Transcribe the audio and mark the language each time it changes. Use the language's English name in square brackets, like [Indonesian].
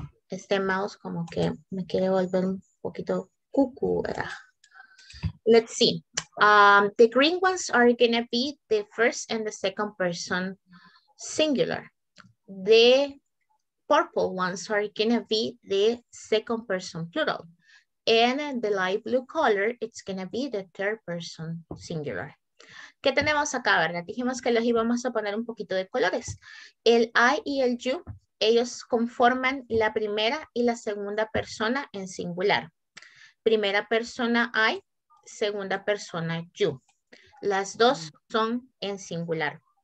[Spanish] Este mouse como que me quiere volver un poquito cucu, ¿verdad? [English] Let's see. The green ones are going to be the first and the second person singular. The purple ones are going to be the second person plural. And the light blue color, it's going to be the third person singular. [Spanish] ¿Qué tenemos acá, verdad? Dijimos que los íbamos a poner un poquito de colores. El I y el you, ellos conforman la primera y la segunda persona en singular. Primera persona I, segunda persona you. Las dos son en singular.